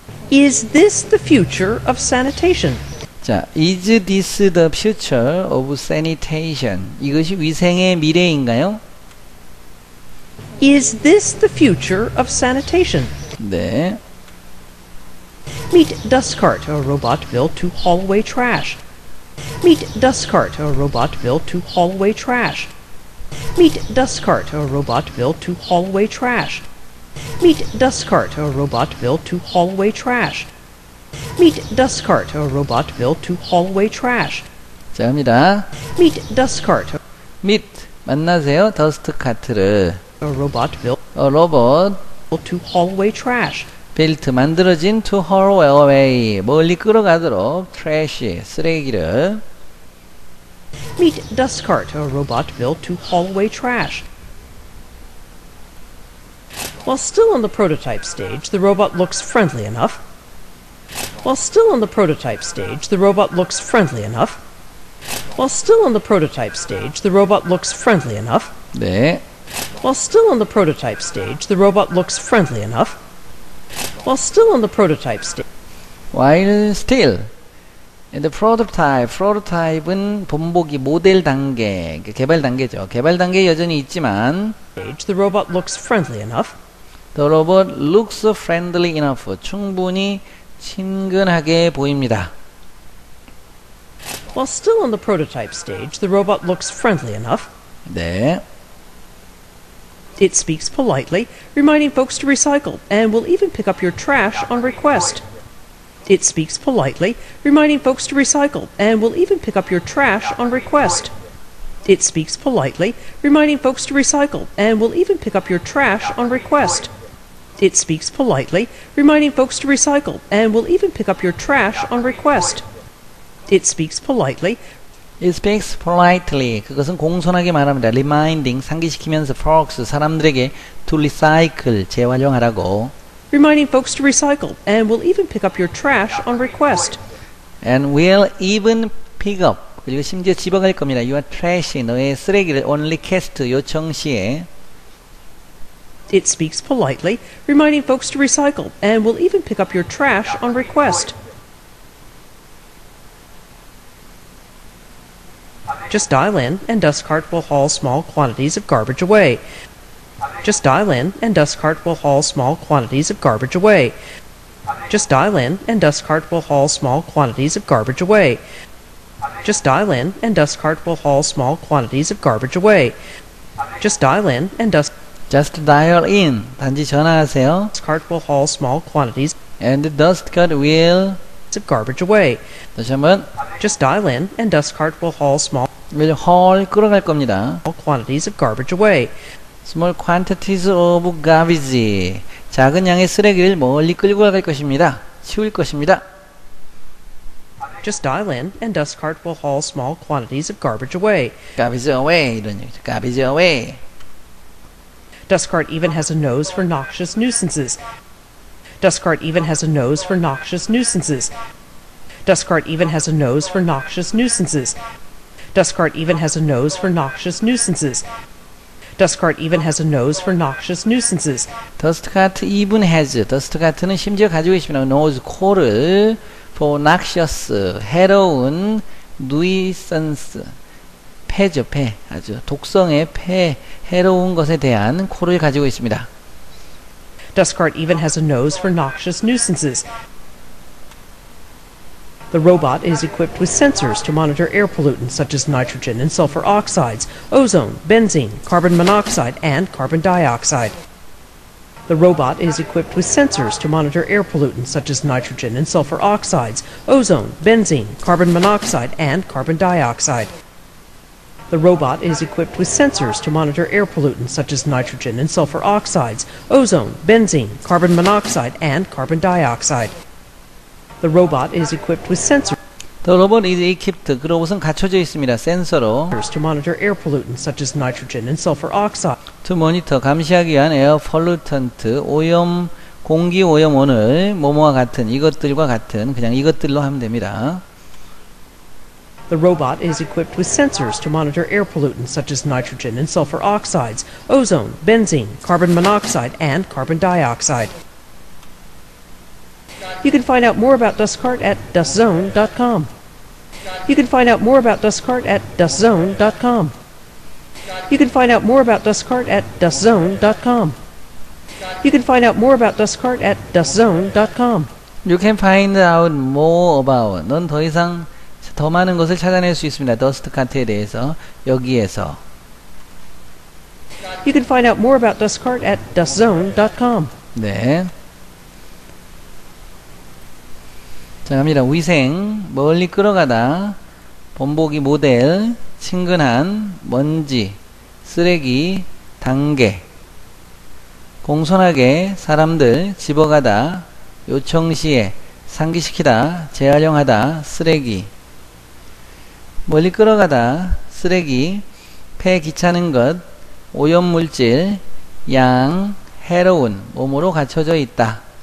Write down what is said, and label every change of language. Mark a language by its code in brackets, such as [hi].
[en] Is this the future of sanitation? [ko] 자, [en] is this the future of sanitation? [ko] 이것이 위생의 미래인가요? [en] Is this the future of sanitation? [ko] 네. [en] Meet Dustcart, a robot built to haul away trash. Meet Dustcart, a robot built to haul away trash. Meet Dustcart, a robot built to haul away trash. Meet Dustcart, a robot built to haul away trash. Meet Dustcart, a robot built to haul away trash. [ko] 감사합니다. [en] Meet Dustcart. Meet [ko] 만나세요, Dustcart를. [en] A robot built. A robot built to haul away trash. Built [ko] 만들어진 [en] to haul away [ko] 멀리 끌어가도록 [en] trash [ko] 쓰레기를. [en] Meet Dustcart, a robot built to haul away trash. While still on the prototype stage, the robot looks friendly enough. While still on the prototype stage, the robot looks friendly enough. While still on the prototype stage, the robot looks friendly enough. [ko] 네. [en] While still on the prototype stage, the robot looks friendly enough. While still on the prototype stage. While still. In the prototype, [ko] prototype은 본보기, 모델 단계, 개발 단계죠. 개발 단계 여전히 있지만. [en] Stage, the robot looks friendly enough. The robot looks friendly enough. [ko] 충분히 친근하게 보입니다. [en] While still on the prototype stage, the robot looks friendly enough. [ko] 네. [en] It speaks politely, reminding folks to recycle, and will even pick up your trash on request. It speaks politely, reminding folks to recycle, and will even pick up your trash on request. It speaks politely, reminding folks to recycle, and will even pick up your trash on request. It speaks politely, reminding folks to recycle, and will even pick up your trash on request. It speaks politely. It speaks politely. [ko] 그것은 공손하게 말합니다. [en] Reminding, [ko] 상기시키면서 [en] folks, [ko] 사람들에게 [en] to recycle, [ko] 재활용하라고. [en] Reminding folks to recycle, and will even pick up your trash on request. And will even pick up, [ko] 그리고 심지어 집어갈 겁니다. [en] Your trash, [ko] 너의 쓰레기를 [en] on request, [ko] 요청 시에. [en] It speaks politely, reminding folks to recycle, and will even pick up your trash on request. Just dial in, and Dustcart will haul small quantities of garbage away. Just dial in, and Dustcart will haul small quantities of garbage away. Just dial in, and Dustcart will haul small quantities of garbage away. Just dial in, and Dustcart will haul small quantities of garbage away. Just dial in, and Dustcart. Just dial in. [ko] 단지 전화하세요. [en] Dustcart will haul small quantities. And Dustcart will. Of garbage away. [ko] 다시 한번. [en] Just dial in and Dustcart will haul small. [ko] 이제 [en] haul [ko] 끌어갈 겁니다. [en] Small quantities of garbage away. Small quantities of garbage. [ko] 작은 양의 쓰레기를 멀리 끌고 갈 것입니다. 치울 것입니다. [en] Just dial in and Dustcart will haul small quantities of garbage away. Garbage away. [ko] 이런 얘기죠. [en] Garbage away. Dustcart even has a nose for noxious nuisances. Dustcart even has a nose for noxious nuisances. Dustcart even has a nose for noxious nuisances. Dustcart even has a nose for noxious nuisances. Dustcart even has a nose for noxious nuisances. Dustcart even has. [ko] Dustcart는 심지어 가지고 있습니다. [en] Nose, [ko] 코를 [en] for noxious, [ko] 해로운 [en] nuisance, [ko] 폐죠, 폐. 아주 독성의 폐, 해로운 것에 대한 코를 가지고 있습니다. [en] Duskart even has a nose for noxious nuisances. The robot is equipped with sensors to monitor air pollutants such as nitrogen and sulfur oxides, ozone, benzene, carbon monoxide, and carbon dioxide. The robot is equipped with sensors to monitor air pollutants such as nitrogen and sulfur oxides, ozone, benzene, carbon monoxide, and carbon dioxide. The robot is equipped with sensors to monitor air pollutants such as nitrogen and sulfur oxides, ozone, benzene, carbon monoxide, and carbon dioxide. The robot is equipped with sensors. The robot is equipped. [ko] 그 로봇은 갖춰져 있습니다. 센서로. [en] To monitor air pollutants such as nitrogen and sulfur oxide. To monitor [ko] 감시하기 위한 [en] air pollutant [ko] 오염 공기 오염원을 뭐뭐와 같은 이것들과 같은 그냥 이것들로 하면 됩니다. [en] The robot is equipped with sensors to monitor air pollutants such as nitrogen and sulfur oxides, ozone, benzene, carbon monoxide, and carbon dioxide. You can find out more about Duskart at dustzone.com. You can find out more about Duskart at dustzone.com. You can find out more about Duskart at dustzone.com. You can find out more about Duskart at dustzone.com. You can find out more about. [ko] 넌 더 이상 더 많은 것을 찾아낼 수 있습니다. Duskart에 대해서 여기에서. [en] You can find out more about Duskart at dustzone.com. [ko] 네. 자, 갑니다. 위생, 멀리 끌어가다, 본보기 모델, 친근한, 먼지, 쓰레기, 단계, 공손하게, 사람들, 집어가다, 요청시에, 상기시키다, 재활용하다, 쓰레기, 멀리 끌어가다, 쓰레기, 폐 귀찮은 것, 오염물질, 양, 해로운, 몸으로 갖춰져 있다.